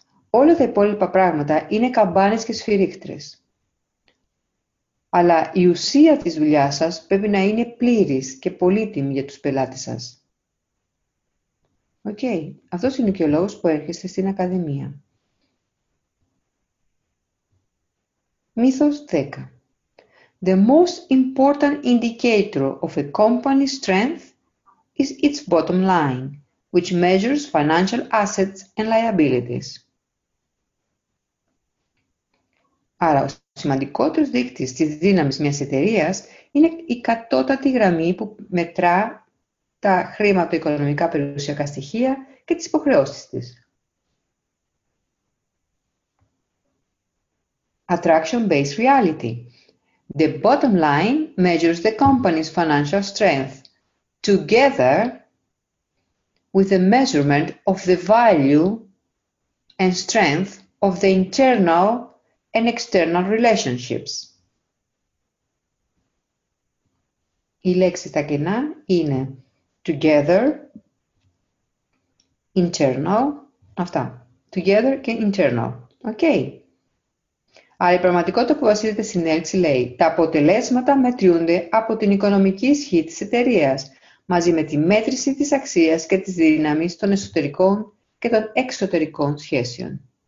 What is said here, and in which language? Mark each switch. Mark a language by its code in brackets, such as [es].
[el] Όλα τα υπόλοιπα πράγματα είναι καμπάνες και σφυρίχτρες. Αλλά η ουσία της δουλειάς σας πρέπει να είναι πλήρης και πολύτιμη για τους πελάτες σας. Οκ. Okay. Αυτός είναι και ο λόγος που έρχεστε στην Ακαδημία. Μύθος 10. [en] The most important indicator of a company's strength is its bottom line, which measures financial assets and liabilities. [el] Άρα, ο σημαντικότερος δείκτης της δύναμης μιας εταιρείας είναι η κατώτατη γραμμή που μετρά τα χρήματα, οικονομικά περιουσιακά στοιχεία και τις υποχρεώσεις της. [en] Attraction-based reality. The bottom line measures the company's financial strength together with the measurement of the value and strength of the internal and external relationships. [el] Η λέξη τα κενά είναι together, internal, αυτά. Together και internal. Οκ. Άρα η πραγματικότητα που βασίζεται στην έλξη λέει τα αποτελέσματα μετριούνται από την οικονομική ισχύ της εταιρείας μαζί με τη μέτρηση της αξίας και της δύναμης των εσωτερικών και των εξωτερικών σχέσεων.